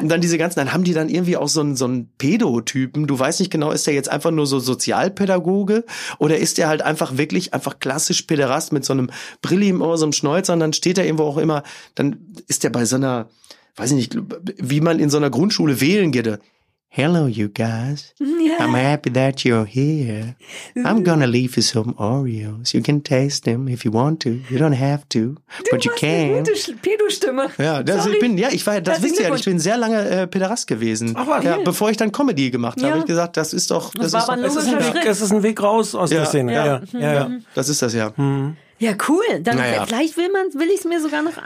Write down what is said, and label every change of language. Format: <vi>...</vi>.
<de>Und dann diese ganzen, dann haben die dann irgendwie auch so einen Pedo-Typen. Du weißt nicht genau, ist der jetzt einfach nur so Sozialpädagoge oder ist der halt einfach wirklich einfach klassisch Päderast mit so einem Brilli im Ohr, so einem Schnäuzer und dann steht er irgendwo auch immer, dann ist der bei so einer, weiß ich nicht, wie man in so einer Grundschule wählen geht.</de> <en>Hello, you guys. Yeah. I'm happy that you're here. I'm gonna leave you some Oreos. You can taste them if you want to. You don't have to, but you can.</en> <de>Du hast eine gute Pedo-Stimme. Ja, das wisst ihr ja. Ich bin sehr lange Päderast gewesen. Aber, bevor ich dann Comedy gemacht habe, habe ich gesagt, das ist doch. Das ist ein Weg raus aus der Szene. Ja. Das ist das ja. Ja, cool. Dann vielleicht will ich es mir sogar noch.</de>